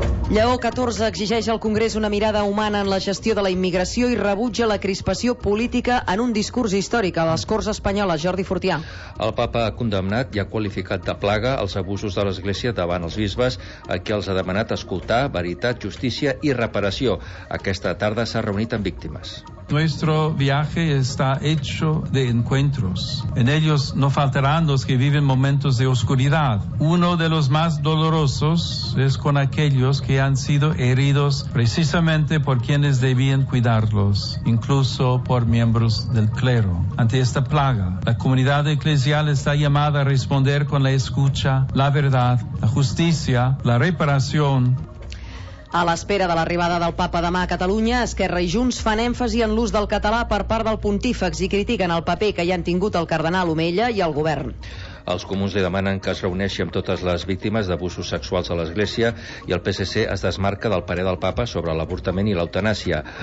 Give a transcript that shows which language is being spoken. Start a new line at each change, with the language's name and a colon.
Catalan: Lleó 14 exigeix al Congrés una mirada humana en la gestió de la immigració i rebutja la crispació política en un discurs històric a les Corts Espanyoles. Jordi Fortià. El papa ha condemnat i ha qualificat de plaga els abusos de l'Església davant els bisbes, a qui els ha demanat escoltar veritat, justícia i reparació. Aquesta tarda s'ha reunit amb víctimes.
Spanish: Nuestro viaje está hecho de encuentros. En ellos no faltarán los que viven momentos de oscuridad. Uno de los más dolorosos es con aquellos que han sido heridos precisamente por quienes debían cuidarlos, incluso por miembros del clero. Ante esta plaga, la comunidad eclesial está llamada a responder con la escucha, la verdad, la justicia, la reparación.
Catalan: A l'espera de l'arribada del papa demà a Catalunya, Esquerra i Junts fan èmfasi en l'ús del català per part del pontífex i critiquen el paper que hi han tingut el cardenal Omella i el govern. Els comuns li demanen que es reuneixi amb totes les víctimes d'abusos sexuals a l'Església i el PSC es desmarca del parer del papa sobre l'avortament i l'eutanàsia.